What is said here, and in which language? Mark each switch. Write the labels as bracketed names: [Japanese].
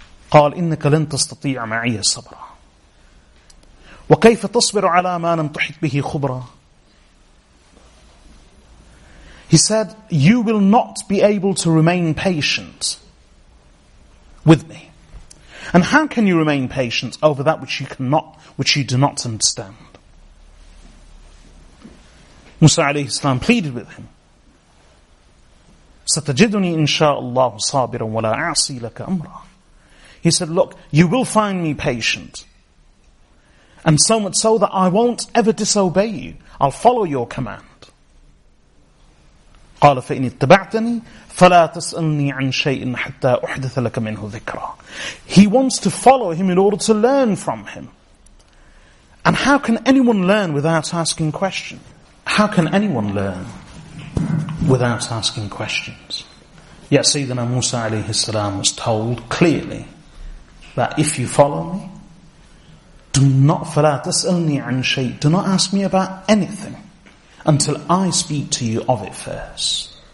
[Arabic] قال إنك لن تستطيع معي الصبر وكيف تصبر على ما لم تحط به خبرة. [English] He said, you will not be able to remain patient with me. And how can you remain patient over that which you cannot, which you do not understand? Musa alayhi salam pleaded with him. [Arabic] ستجدني إن شاء الله صابرا ولا أعصي لك أمرا. [English] He said, look, you will find me patient. And so much so that I won't ever disobey you. I'll follow your command. [Arabic] قال فإن اتبعتني فلا تسألني عن شيء حتى أحدث لك منه ذكرا. [English] He wants to follow him in order to learn from him. And how can anyone learn without asking questions? How can anyone learn without asking questions? Yet Sayyidina Musa alayhi salam was told clearly that if you follow me, do not ask me about anything until I speak to you of it first.